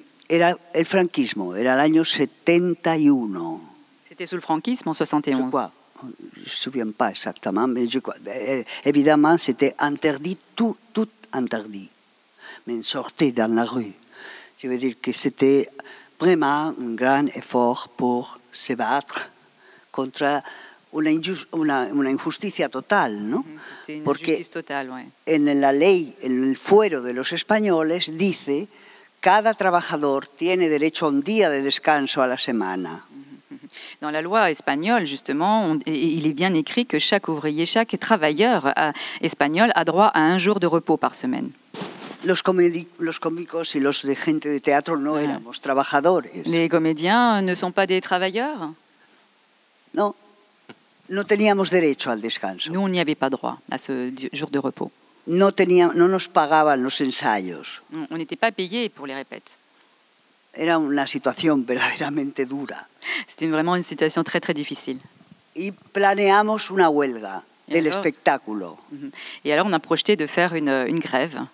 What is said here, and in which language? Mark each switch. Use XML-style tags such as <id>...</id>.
<es>Era el franquismo, era el año 71.</es> <fr>C'était sous le franquisme en 71. Je ne me souviens pas exactement, mais je crois. Évidemment, c'était interdit, tout interdit. Mais sortir dans la rue. Je veux dire que c'était vraiment un grand effort pour se battre contre une injustice totale, non? C'était une injustice totale, oui.</fr> <es>En la ley, en el fuero de los españoles, dice. Cada trabajador tiene derecho a un día de descanso a la semana.</es> <fr>Dans la loi espagnole, justement, il est bien écrit que chaque ouvrier, chaque travailleur espagnol a droit à un jour de repos par semaine.</fr> <es>Los cómicos y los de gente de teatro no éramos trabajadores.</es> <fr>Les comédiens ne sont pas des travailleurs? Non.</fr> <es>No teníamos derecho al descanso.</es> <fr>Nous, on n'y avait pas droit à ce jour de repos.</fr> <es>No nos pagaban los ensayos.</es> <fr>On n'était pas payé pour les répètes.</fr> <es>Era una situación verdaderamente dura.</es> <fr>C'était vraiment une situation très très difficile.</fr> <es>Y planeamos una huelga del espectáculo.</es> <fr>Et alors on a projeté de faire une grève.</fr>